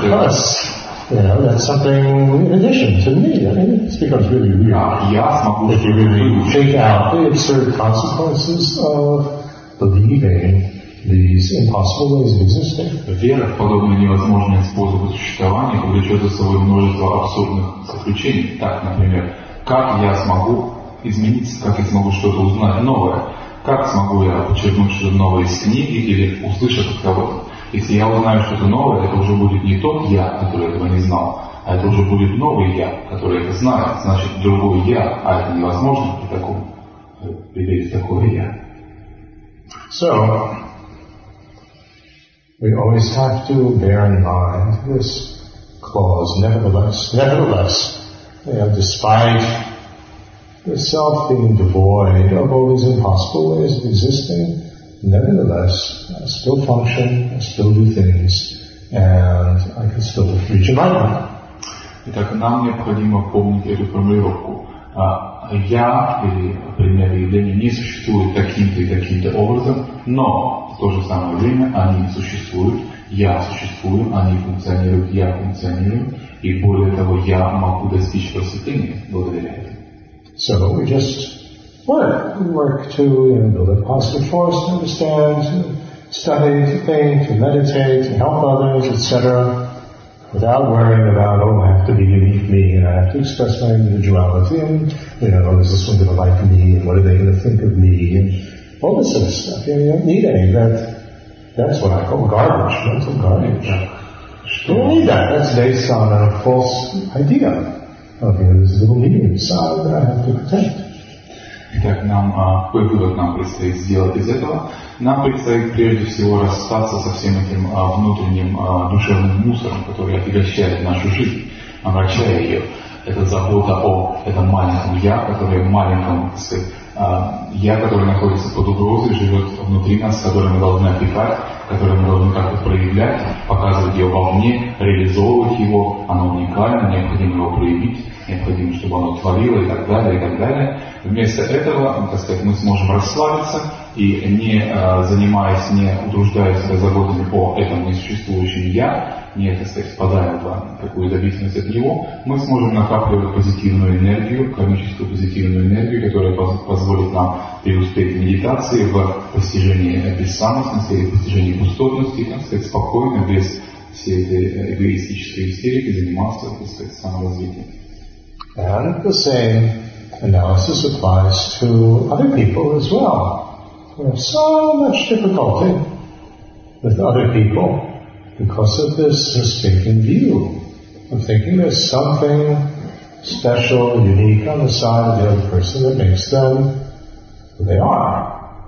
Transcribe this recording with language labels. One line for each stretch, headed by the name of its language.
English: plus, you know, that's something in addition to me. I mean, it's become really weird.
Russian: Я смогу
English: if you really take out the absurd consequences of believing these impossible ways of existing.
Russian: Вера в подобные невозможные способы существования увлечет за собой множество абсурдных заключений. Так, например, как я смогу измениться, как я смогу что-то узнать новое, как смогу я подчеркнуть что-то новое из книги или услышать от кого-то. Если я узнаю что-то новое, это уже будет не тот я, который этого не знал, а это уже будет новый я, который это знает, значит другой я, а это невозможно при таком, при такой я.
English: So, we always have to bear in mind this clause, nevertheless, you know, despite the self being devoid of all these impossible ways of existing, nevertheless, I still function, I still do things, and I can still reach a mind.
Russian: Итак, нам необходимо помнить эту формулировку. Я, или, например, явление не существует таким-то и таким-то образом, но в то же самое время они существуют, я существую, они функционируют, я функционирую, и более того, я могу достичь просветления благодаря этому.
English: So we just work to, you know, build a positive force, to understand, to study, to think, to meditate, to help others, etc. Without worrying about, oh, I have to be unique me, and I have to express my individuality, and, you know, is this one going to like me, and what are they going to think of me, and all this other stuff. You don't need any of that. That's what I call garbage, mental garbage. You don't need that. That's based on a false idea of, you know, this little me inside that I have to protect.
Russian: Итак, нам, какой вывод нам предстоит сделать из этого? Нам предстоит прежде всего расстаться со всем этим внутренним душевным мусором, который отягощает нашу жизнь, омрачая ее. Это забота о этом маленьком я, который маленьком, так сказать, я, который находится под угрозой, живет внутри нас, который мы должны опекать, который мы должны как-то проявлять, показывать его вовне, реализовывать его, оно уникально, необходимо его проявить, необходимо, чтобы оно творило и так далее, и так далее. Вместо этого, так сказать, мы сможем расслабиться и не занимаясь, не утруждая себя заботами по этому несуществующему я, не, так сказать, впадая в такую зависимость от него, мы сможем накапливать позитивную энергию, кармическую позитивную энергию, которая позволит нам преуспеть в медитации, в постижении бессамостности или в постижении пустотности, так сказать, спокойно, без всей этой эгоистической истерики, заниматься, так сказать, саморазвитием.
English: And the same analysis applies to other people as well. We have so much difficulty with other people because of this mistaken view of thinking there's something special, unique on the side of the other person that makes them who they are.